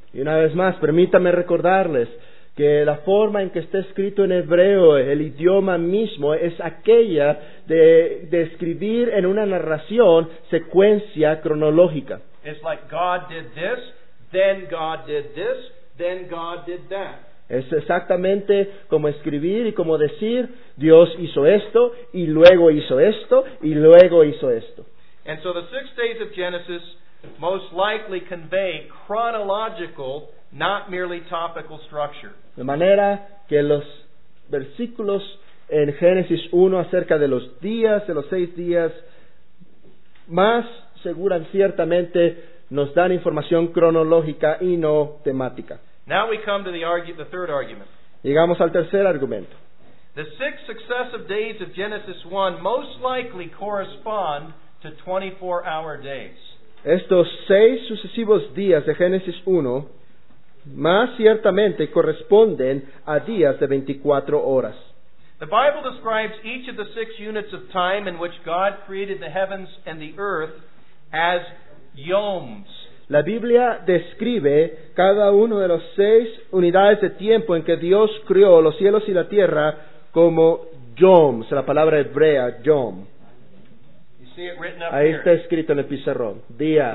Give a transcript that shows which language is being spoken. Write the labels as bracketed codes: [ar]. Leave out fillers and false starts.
[es] Y una vez más, permítame recordarles que la forma en que está escrito en hebreo, el idioma mismo, es aquella de escribir en una narración secuencia cronológica. [en] It's like God did this, then God did this, then God did that. [es] Es exactamente como escribir y como decir, Dios hizo esto, y luego hizo esto, y luego hizo esto. [en] And so the 6 days of Genesis most likely convey chronological, not merely topical structure. [es] De manera que los versículos en Génesis 1 acerca de los días, de los 6 días, más seguran ciertamente nos dan información cronológica y no temática. [en] Now we come to the third argument. [es] Llegamos al tercer argumento. [en] The 6 successive days of Genesis 1 most likely correspond to 24-hour days. [es] Estos 6 sucesivos días de Génesis 1 más ciertamente corresponden a días de 24 horas. [en] The Bible describes each of the 6 units of time in which God created the heavens and the earth as yoms. [es] La Biblia describe cada uno de los 6 unidades de tiempo en que Dios creó los cielos y la tierra como yoms, la palabra hebrea yom. [en] You see it written up [es] ahí [en] here. [es] Está escrito en el pizarrón, día.